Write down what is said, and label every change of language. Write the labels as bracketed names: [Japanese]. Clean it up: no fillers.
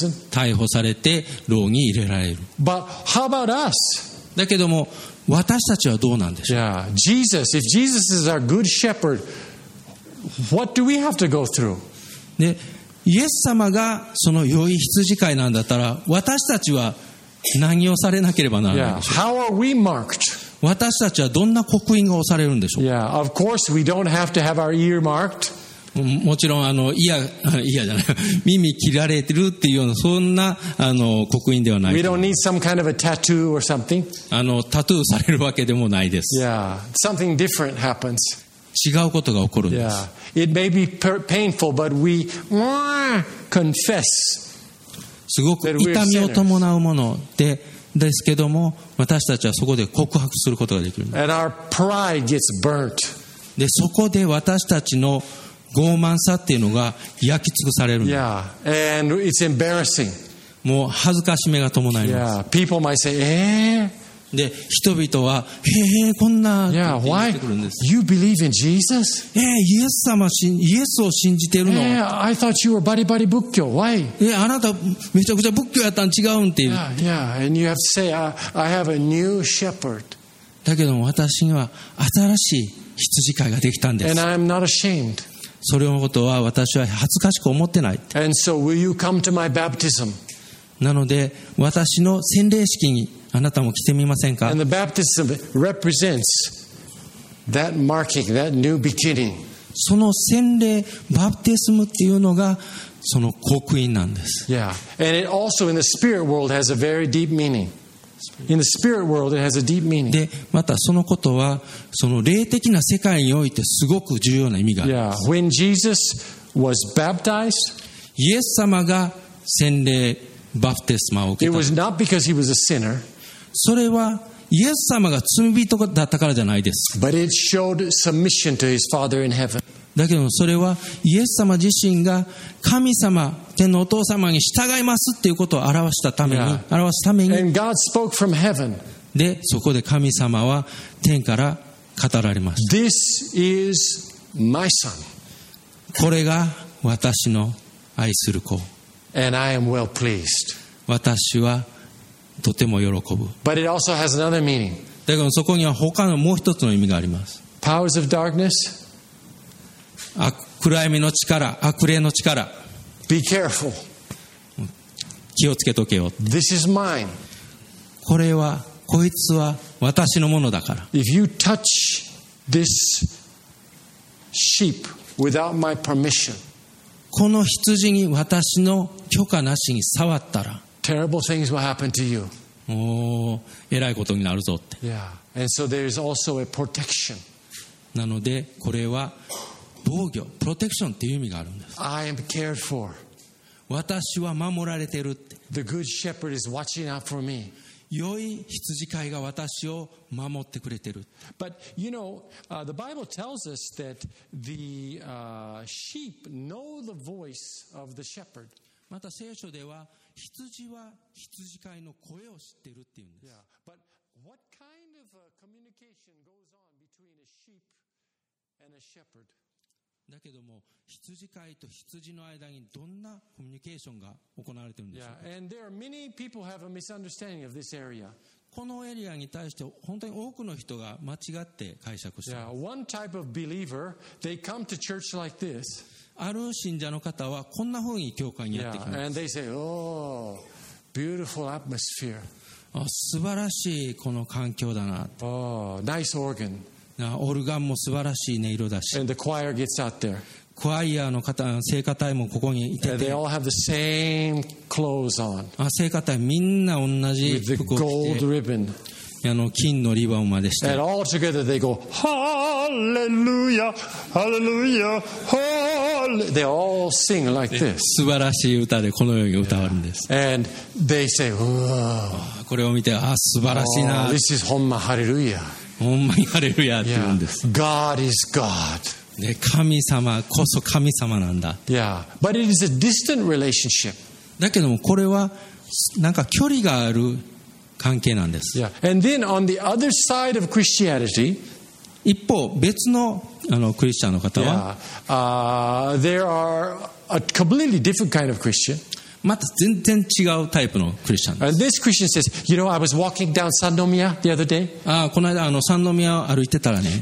[Japanese] 逮捕されて牢に入れられる。 [English] But how about us? [Japanese] だけども私たちはどうなんでしょう。 [English] Yeah. Jesus, if Jesus is our good shepherd, what do we have to go through? [Japanese] ね、イエス様がその良い羊飼いなんだったら私たちは何をされなければならないでしょう。 [English] Yeah. How are we marked? [Japanese] 私たちはどんな刻印が押されるんでしょう。 [English] Yeah, of course we don't have to have our ear marked. [Japanese] もちろんイヤじゃない耳切られてるっていうようなそんな刻印ではない。 [English] We don't need some kind of a tattoo or something. [Japanese] タトゥーされるわけでもないです。 [English] Yeah, something different happens. [Japanese] 違うことが起こるんです。 [English] Yeah, it may be painful, but we confess. [Japanese] すごく痛みを伴うもので。ですけども私たちはそこで告白することができるんです。 [English] And our pride gets burnt. [Japanese] でそこで私たちの傲慢さっていうのが焼き尽くされるんです。 [English] Yeah. And it's embarrassing. [Japanese] もう恥ずかしめが伴います。 [English] Yeah. People might say, [Japanese] で人々はこんなって言ってくるんです。 [English] Yeah. Why? You believe in Jesus? [Japanese] イエス様イエスを信じてるの。 [English] I thought you were [Japanese] バリバリ仏教。 [English] Why? [Japanese] あなためちゃくちゃ仏教やったん違うんって言う。 [English] Yeah. And you have to say, I have a new shepherd. [Japanese] だけども私には新しい羊飼いができたんです。 [English] And I'm not ashamed. [Japanese] それのことは私は恥ずかしく思ってない。 [English] And so will you come to my baptism? [Japanese] なので私の洗礼式にあなたも来てみませんか。 [English] And the baptism represents that marking, that new beginning. [Japanese] その洗礼、バプテスムっていうのがその刻印なんです。 [English] Yeah. And it also in the spirit world has a very deep meaning. In the spirit world it has a deep meaning. [Japanese] で、またそのことはその霊的な世界においてすごく重要な意味がある。 [English] Yeah. When Jesus was baptized, [Japanese] イエス様が洗礼バプテスマを受けた。 [English] It was not because he was a sinner. [Japanese] それはイエス様が罪人だったからじゃないです。 [English] But it showed submission to his Father in heaven. [Japanese] だけどそれはイエス様自身が神様天のお父様に従いますっていうことを表したために、 [English] yeah. [Japanese] 表すために。 [English] And God spoke from heaven. [Japanese] でそこで神様は天から語られました。 [English] This is my son. [Japanese] これが私の愛する子。 [English] And I am well pleased. [Japanese] 私はとても喜ぶ。 [English] But it also has another meaning. [Japanese] だけどそこには他のもう一つの意味があります。 [English] Powers of darkness. [Japanese] 暗闇の力、悪霊の力。 [English] Be careful. [Japanese] 気をつけとけよ。 [English] This is mine. [Japanese] これは、こいつは私のものだから。 [English] If you touch this sheep without my permission. [Japanese] この羊に私の許可なしに触ったら、 [English] terrible things will happen to you. [Japanese] おお、えらいことになるぞって。 [English] Yeah. And so there is also a protection. [Japanese] なのでこれは防御、プロテクションっていう意味があるんです。 [English] I am cared for. [Japanese] 私は守られてるって。 [English] The good shepherd is watching out for me. [Japanese] 良い羊飼いが私を守ってくれてる。 [English] But you know, the Bible tells us that the sheep know the voice of the shepherd. [Japanese] また聖書では羊は羊飼いの声を知ってるって言うんです。 [English] Yeah. But what kind of communication goes on between a sheep and a shepherd? [Japanese] だけども羊飼いと羊の間にどんなコミュニケーションが行われているんでしょうか。 [English] Yeah. And there are many people have a misunderstanding of this area. [Japanese] このエリアに対して本当に多くの人が間違って解釈しています。 [English] One type of believer, they come to church like this. [Japanese] ある信者の方はこんな風に教会にやってきます。 [English] Yeah, and they say, oh, beautiful atmosphere. [Japanese] 素晴らしいこの環境だな。 [English] Oh, nice organ. [Japanese] オルガンも素晴らしい音色だし。 [English] And the choir gets out there. [Japanese] クワイアの方、聖歌隊もここにいてて。 [English] And they all have the same clothes on. [Japanese] 聖歌隊みんな同じ服を着て。 [English] With the gold ribbon. [Japanese] 金のリボンまでして。 [English] And all together they go, Hallelujah, Hallelujah, they all sing like this. [Japanese] 素晴らしい歌でこのように歌われるんです。 [English] Yeah. And they say, whoa. [Japanese] これを見て、あ、素晴らしいな。 [English] Oh, this is [Japanese] ほんまハレルヤ。ほんまにハレルヤって言うんです。 [English] Yeah. God is God. [Japanese] で神様こそ神様なんだ。 [English] Yeah, but it is a distant relationship. [Japanese] だけどもこれはなんか距離がある関係なんです。 [English] Yeah. And then on the other side of Christianity, [Japanese] 一方別の、あのクリスチャンの方は、 [English] yeah. There are a completely different kind of Christian. [Japanese] また全然違うタイプのクリスチャンです。 [English] And this Christian says, you know, I was walking down Sandomia the other day. [Japanese] ああ、この間あの三宮を歩いてたらね。